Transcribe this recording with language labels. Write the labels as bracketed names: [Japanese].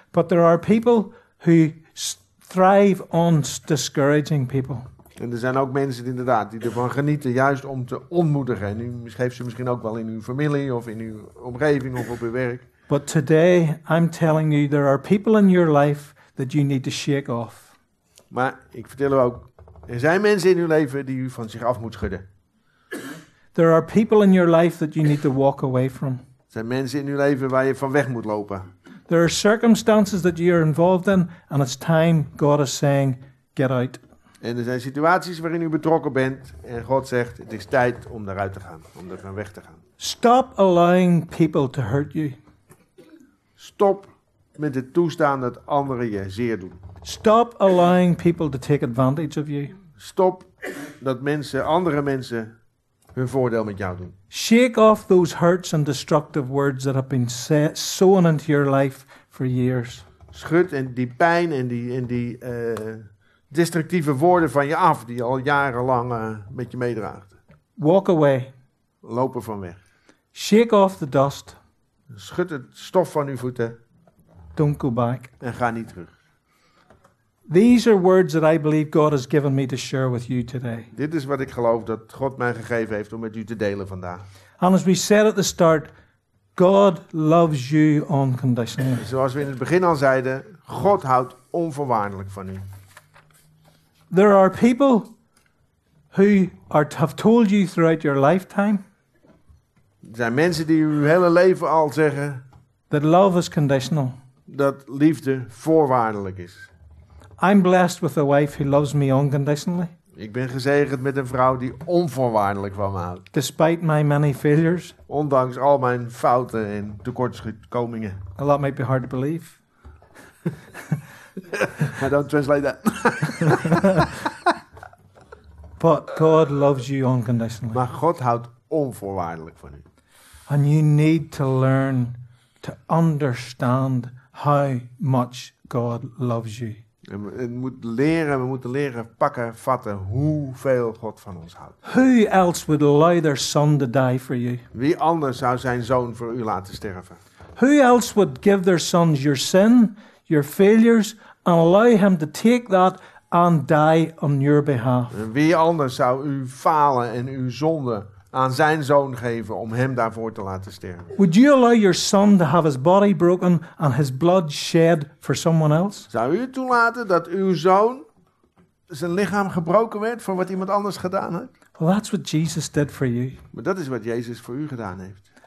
[English] But there are people who thrive on discouraging people. [Dutch] En er zijn ook mensen inderdaad die ervan genieten juist om te ontmoedigen. En u geeft ze misschien ook wel in uw familie of in uw omgeving of op uw werk. [English] But today I'm telling you there are people in your life that you need to shake off. [Dutch] Maar ik vertel u ook, er zijn mensen in uw leven die u van zich af moet schudden. [English] There are people in your life that you need to walk away from. [Dutch] Er zijn mensen in uw leven waar je van weg moet lopen. [English] There are circumstances that you are involved in, and it's time God is saying, get out. [Dutch] En er zijn situaties waarin u betrokken bent, en God zegt, het is tijd om daaruit te gaan, om er van weg te gaan. [English] Stop allowing people to hurt you. [Dutch] Stop met het toestaan dat anderen je zeer doen. [English] Stop allowing people to take advantage of you. [Dutch] Stop dat mensen, andere mensen, hun voordeel met jou doen. [English] Shake off those hurts and destructive words that have been sown into your life for years. [Dutch] Schud en die pijn en die destructieve woorden van je af die je al jarenlang met je meedraagt. [English] Walk away. [Dutch] Lopen van weg. [English] Shake off the dust. [Dutch] Schud het stof van je voeten. [English] Don't go back. [Dutch] En ga niet terug. [English] These are words that I believe God has given me to share with you today. [Dutch] Dit is wat ik geloof dat God mij gegeven heeft om met u te delen vandaag. [English] And as we said at the start, God loves you unconditionally. [Dutch] Zoals we in het begin al zeiden, God houdt onvoorwaardelijk van u. [English] There are people who have told you throughout your lifetime. [Dutch] Er zijn mensen die uw hele leven al zeggen [English] that love is conditional. [Dutch] Dat liefde voorwaardelijk is. [English] I'm blessed with a wife who loves me unconditionally. [Dutch] Ik ben gezegend met een vrouw die onvoorwaardelijk van me houdt. [English] Despite my many failures. [Dutch] Ondanks al mijn fouten en tekortkomingen. [English] Well, that might be hard to believe. I don't translate that. But God loves you unconditionally. [Dutch] Maar God houdt onvoorwaardelijk van u. [English] And you need to learn to understand how much God loves you. [Dutch] We moeten leren pakken, vatten hoeveel God van ons houdt. [English] Who else would allow their son to die for you? [Dutch] Wie anders zou zijn zoon voor u laten sterven? [English] Who else would give their sons your sin, your failures, and allow him to take that and die on your behalf? [Dutch] Wie anders zou uw falen en uw zonde aan zijn zoon geven om hem daarvoor te laten sterven? [English] Would you allow your son to have his body broken and his blood shed for someone else? [Dutch] Zou u toelaten dat uw zoon zijn lichaam gebroken werd voor wat iemand anders gedaan heeft? [English] Well, that's what Jesus did for you. [Dutch] Maar dat is wat Jezus voor u gedaan heeft.